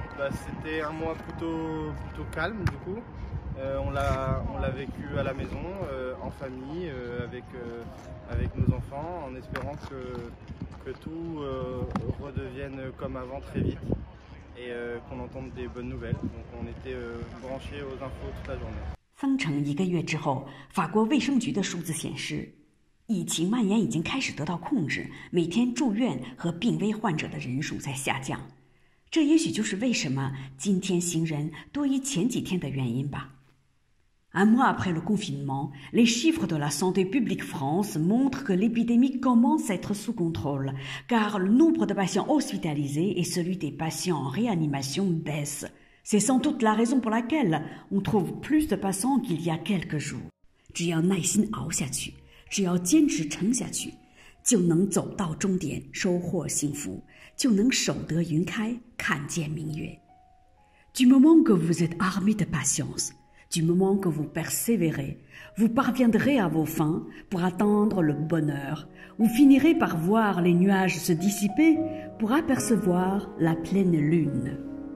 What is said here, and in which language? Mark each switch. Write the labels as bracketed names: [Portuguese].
[French] C'était un mois plutôt calme, du coup. On l'a vécu à la maison, en famille, avec nos enfants, en espérant que tout redevienne comme avant très vite et qu'on entende des bonnes nouvelles. Donc on était branchés aux infos toute la journée. [Chinese] 封城一个月之后，法国卫生局的数字显示，疫情蔓延已经开始得到控制，每天住院和病危患者的人数在下降。这也许就是为什么今天行人多于前几天的原因吧。 [French] Un mois après le confinement, les chiffres de la Santé publique France montrent que l'épidémie commence à être sous contrôle, car le nombre de patients hospitalisés et celui des patients en réanimation baissent. C'est sans doute la raison pour laquelle on trouve plus de patients qu'il y a quelques jours. [Chinese] 只要耐心熬下去，只要坚持撑下去，就能走到终点，收获幸福，就能守得云开，看见明月。 [French] Du moment que vous êtes armé de patience,Du moment que vous persévérez, vous parviendrez à vos fins pour atteindre le bonheur. Vous finirez par voir les nuages se dissiper pour apercevoir la pleine lune.